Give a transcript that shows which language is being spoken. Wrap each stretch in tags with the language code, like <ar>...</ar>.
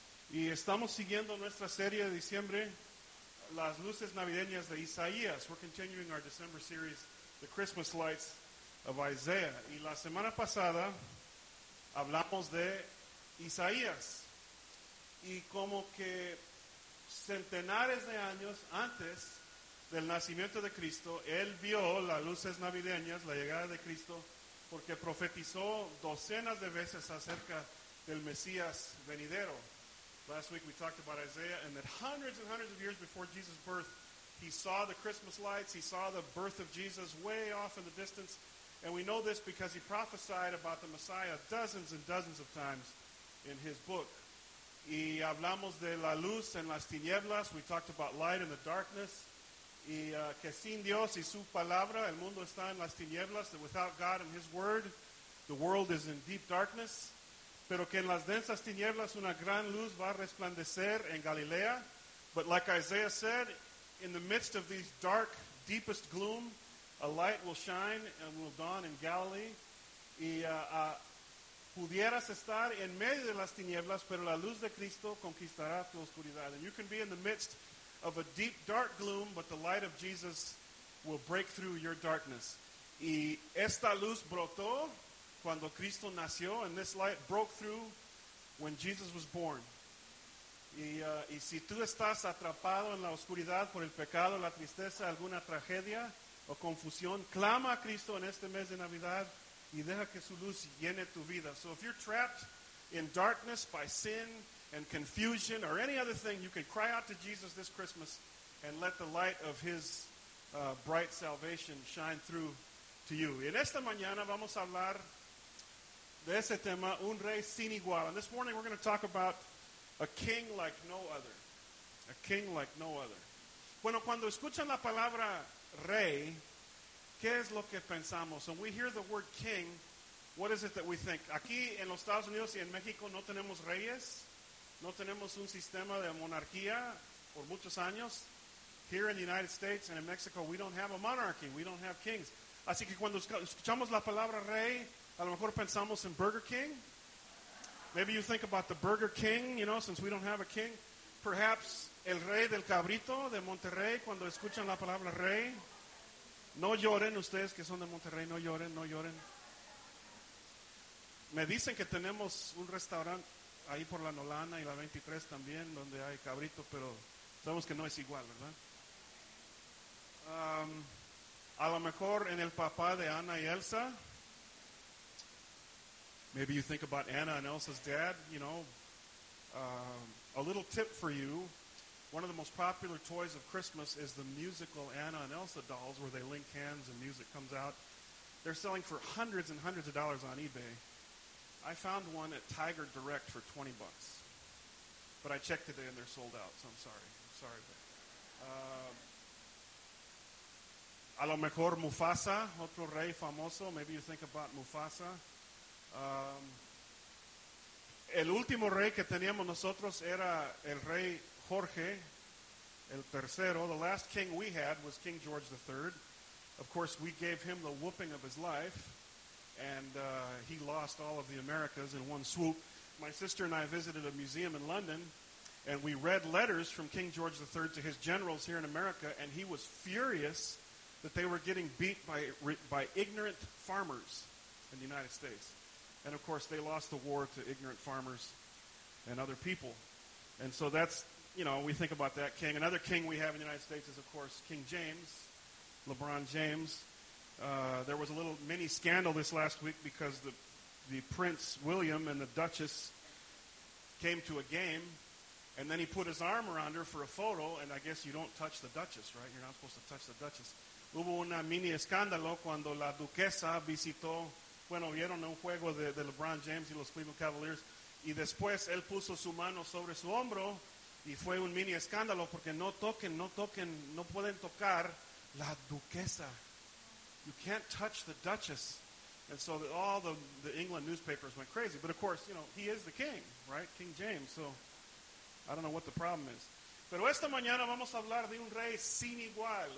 <es>Y estamos siguiendo nuestra serie de diciembre, Las Luces Navideñas de Isaías.</es> <en>We're continuing our December series, The Christmas Lights of Isaiah.</en> <es>Y la semana pasada hablamos de Isaías. Y como que centenares de años antes del nacimiento de Cristo, él vio las luces navideñas, la llegada de Cristo, porque profetizó docenas de veces acerca del Mesías venidero.</es> <en>Last week we talked about Isaiah, and that hundreds and hundreds of years before Jesus' birth, he saw the Christmas lights, he saw the birth of Jesus way off in the distance, and we know this because he prophesied about the Messiah dozens and dozens of times in his book.</en> <es>Y hablamos de la luz en las tinieblas,</es> <en>we talked about light in the darkness,</en> <es>y que sin Dios y su palabra, el mundo está en las tinieblas,</es> <en>that without God and his word, the world is in deep darkness.</en> <es>Pero que en las densas tinieblas una gran luz va a resplandecer en Galilea.</es> <en>But like Isaiah said, in the midst of these dark, deepest gloom, a light will shine and will dawn in Galilee.</en> <es>Y pudieras estar en medio de las tinieblas, pero la luz de Cristo conquistará tu oscuridad.</es> <en>And you can be in the midst of a deep, dark gloom, but the light of Jesus will break through your darkness.</en> <es>Y esta luz brotó cuando Cristo nació,</es> <en>and this light broke through when Jesus was born.</en> <es>Y si tú estás atrapado en la oscuridad por el pecado, la tristeza, alguna tragedia o confusión, clama a Cristo en este mes de Navidad y deja que su luz llene tu vida.</es> <en>So if you're trapped in darkness by sin and confusion or any other thing, you can cry out to Jesus this Christmas and let the light of his bright salvation shine through to you.</en> <es>En esta mañana vamos a hablar de ese tema, un rey sin igual.</es> <en>And this morning we're going to talk about a king like no other. A king like no other.</en> <es>Bueno, cuando escuchan la palabra rey, ¿qué es lo que pensamos?</es> <en>When we hear the word king, what is it that we think?</en> <es>Aquí en los Estados Unidos y en México no tenemos reyes. No tenemos un sistema de monarquía por muchos años.</es> <en>Here in the United States and in Mexico, we don't have a monarchy. We don't have kings.</en> <es>Así que cuando escuchamos la palabra rey, a lo mejor pensamos en Burger King.</es> <en>Maybe you think about the Burger King, you know, since we don't have a king.</en> <es>Perhaps el rey del cabrito de Monterrey, cuando escuchan la palabra rey. No lloren ustedes que son de Monterrey, no lloren, no lloren. Me dicen que tenemos un restaurante ahí por la Nolana y la 23 también, donde hay cabrito, pero sabemos que no es igual, ¿verdad? A lo mejor en el papá de Ana y Elsa.</es> <en>Maybe you think about Anna and Elsa's dad, you know. A little tip for you. One of the most popular toys of Christmas is the musical Anna and Elsa dolls where they link hands and music comes out. They're selling for hundreds and hundreds of dollars on eBay. I found one at Tiger Direct for $20. But I checked today and they're sold out, so I'm sorry. Sorry. But,</en> <es>a lo mejor Mufasa, otro rey famoso.</es> <en>Maybe you think about Mufasa.</en> <es>El último rey que teníamos nosotros era el rey Jorge, el tercero.</es> <en>The last king we had was King George III. Of course, we gave him the whooping of his life, and he lost all of the Americas in one swoop. My sister and I visited a museum in London, and we read letters from King George III to his generals here in America, and he was furious that they were getting beat by ignorant farmers in the United States. And of course, they lost the war to ignorant farmers and other people. And so that's, you know, we think about that king. Another king we have in the United States is, of course, King James, LeBron James. There was a little mini scandal this last week because the Prince William and the Duchess came to a game, and then he put his arm around her for a photo, and I guess you don't touch the Duchess, right? You're not supposed to touch the Duchess.</en> <es>Hubo una mini escándalo cuando la duquesa visitó. Bueno, vieron un juego de LeBron James y los Cleveland Cavaliers. Y después él puso su mano sobre su hombro y fue un mini escándalo porque no toquen, no toquen, no pueden tocar la duquesa.</es> <en>You can't touch the Duchess. And so all the England newspapers went crazy. But of course, you know, he is the king, right? King James. So I don't know what the problem is.</en> <es>Pero esta mañana vamos a hablar de un rey sin igual.</es>